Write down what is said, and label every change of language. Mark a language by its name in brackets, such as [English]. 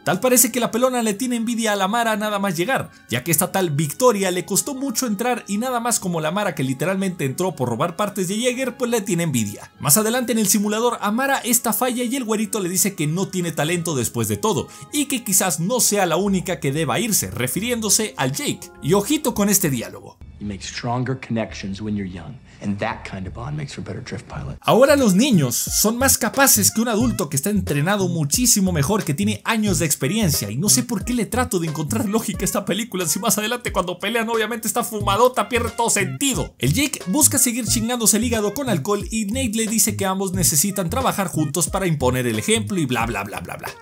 [Spanish] Tal parece que la pelona le tiene envidia a la Mara nada más llegar, ya que esta tal Victoria le costó mucho entrar y nada más como la Mara, que literalmente entró por robar partes de Jaeger, pues le tiene envidia. Más adelante en el simulador, Amara esta falla y el güerito le dice que no tiene talento después de todo y que quizás no sea la única que deba irse, refiriéndose al Jake. Y ojito con este diálogo. [English] You make stronger connections when you're young. And that kind of bond makes for better drift pilot. [Spanish] Ahora los niños son más capaces que un adulto que está entrenado muchísimo mejor, que tiene años de experiencia. Y no sé por qué le trato de encontrar lógica a esta película si más adelante cuando pelean obviamente está fumadota, pierde todo sentido. El Jake busca seguir chingándose el hígado con alcohol y Nate le dice que ambos necesitan trabajar juntos para imponer el ejemplo y bla bla bla bla bla.